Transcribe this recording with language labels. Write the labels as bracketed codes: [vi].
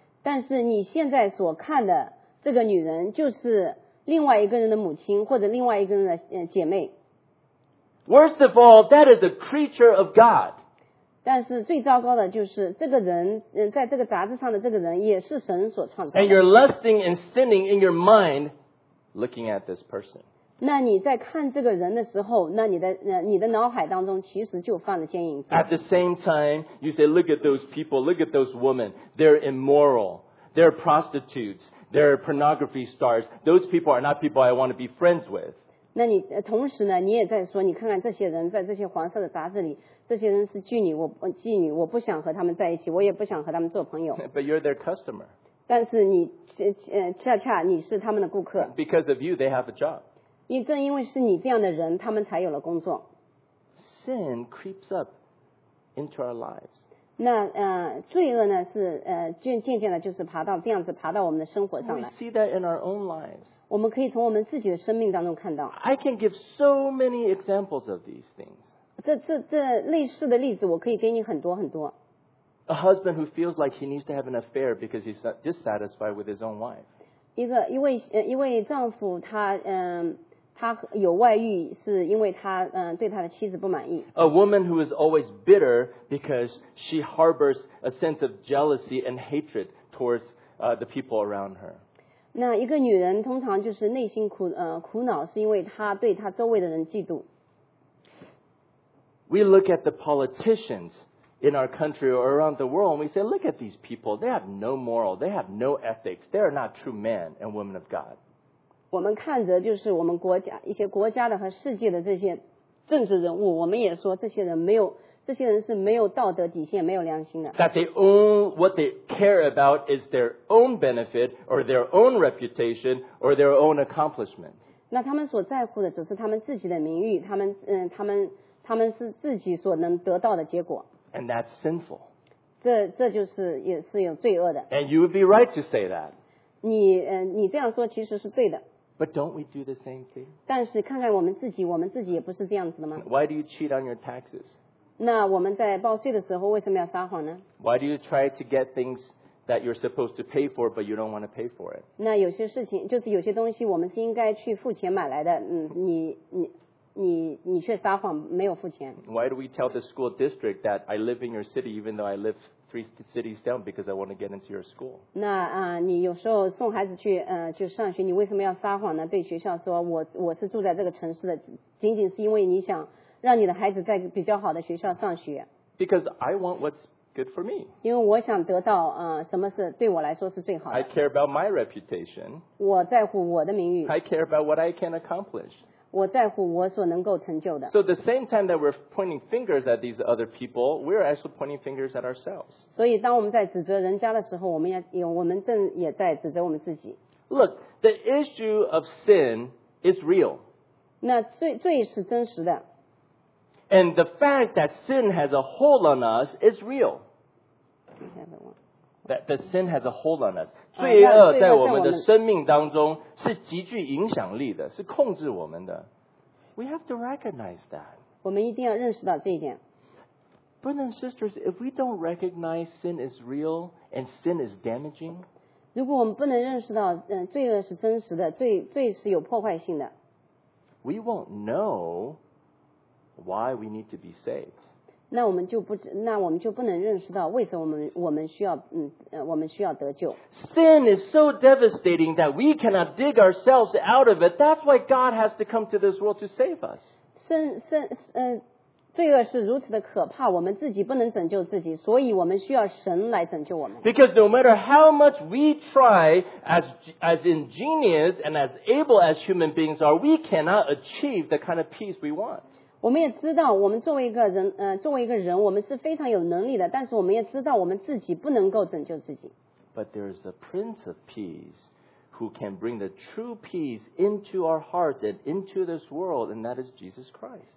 [zh] 但是你现在所看的这个女人就是另外一个人的母亲或者另外一个人的姐妹。 [en] Worst of all, that is a creature of God. [zh] 但是最糟糕的就是这个人，在这个杂志上的这个人也是神所创造的。 [en] And you're lusting and sinning in your mind, looking at this person. [zh] 那你在看这个人的时候，那你的脑海当中其实就犯了奸淫。 [en] At the same time, you say, look at those people, look at those women. They're immoral. They're prostitutes. They're pornography stars. Those people are not people I want to be friends with. [zh] 那你同时呢你也在说你看看这些人在这些黄色的杂志里这些人是妓女我不想和他们在一起我也不想和他们做朋友。 [en] But you're their customer. [zh] 但是你恰恰你是他们的顾客。 [en] Because of you, they have a job. [zh] 正因为是你这样的人他们才有了工作。 [en] Sin creeps up into our lives. [zh] 那罪恶呢是渐渐的就是爬到这样子爬到我们的生活上来。 [en] We see that in our own lives. [zh] 我们可以从我们自己的生命当中看到。 [en] I can give so many examples of these things. [zh] 这类似的例子我可以给你很多很多。 [en] A husband who feels like he needs to have an affair because he's dissatisfied with his own wife. [zh] 一位丈夫他有外遇是因为他对他的妻子不满意。 [en] A woman who is always bitter because she harbors a sense of jealousy and hatred towards the people around her. [zh] 那一个女人通常就是内心苦恼是因为她对她周围的人嫉妒。 [en] We look at the politicians in our country or around the world and we say, look at these people, they have no moral, they have no ethics, they are not true men and women of God. [zh] 我们看着就是我们国家一些国家的和世界的这些政治人物我们也说这些人没有这些人是没有道德底线没有良心的。 [en] That they own what they care about is their own benefit or their own reputation or their own accomplishment. [zh] 那他们所在乎的只是他们自己的名誉他们是自己所能得到的结果。 [en] And that's sinful. [zh] 这就是也是有罪恶的。 [en] And you would be right to say that. [zh] 你这样说其实是对的。 [en] But don't we do the same thing? [zh] 但是看看我们自己也不是这样子的吗？ [en] Why do you cheat on your taxes? [zh] 那我们在报税的时候为什么要撒谎呢？ [en] Why do you try to get things that you're supposed to pay for but you don't want to pay for it? [zh] 那有些事情就是有些东西我们是应该去付钱买来的你却撒谎没有付钱。 [en] Why do we tell the school district that I live in your city even though I live three cities down because I want to get into your school? [zh] 那你有时候送孩子去去上学你为什么要撒谎呢对学校说我是住在这个城市的仅仅是因为你想让你的孩子在比较好的学校上学。 [en] Because I want what's good for me. [zh] 因为我想得到什么是对我来说是最好的。 [en] I care about my reputation. [zh] 我在乎我的名誉。 [en] I care about what I can accomplish. [zh] 我在乎我所能够成就的。 [en] So the same time that we're pointing fingers at these other people, we're actually pointing fingers at ourselves. [zh] 所以当我们在指责人家的时候，我们正也在指责我们自己。 [en] Look, the issue of sin is real. [zh] 那罪是真实的。 [en] And the fact that sin has a hold on us is real. That the sin has a hold on us. [zh] 罪恶在我们的生命当中是极具影响力的，是控制我们的。 [en] We have to recognize that. [zh] 我们一定要认识到这一点。 [en] Brothers and sisters, if we don't recognize sin is real and sin is damaging, [zh] 如果我们不能认识到罪恶是真实的，罪是有破坏性的， [en] we won't know. Why we need to be saved. [zh] 那我们就不能认识到为什么我们需要我们需要得救。 [en] Sin is so devastating that we cannot dig ourselves out of it. That's why God has to come to this world to save us. [zh] 罪恶是如此的可怕，我们自己不能拯救自己，所以我们需要神来拯救我们。 [en] Because no matter how much we try, as ingenious and as able as human beings are, we cannot achieve the kind of peace we want. [zh] 我们也知道我们作为一个人我们是非常有能力的但是我们也知道我们自己不能够拯救自己。 [en] But there is a Prince of Peace who can bring the true peace into our hearts and into this world and that is Jesus Christ.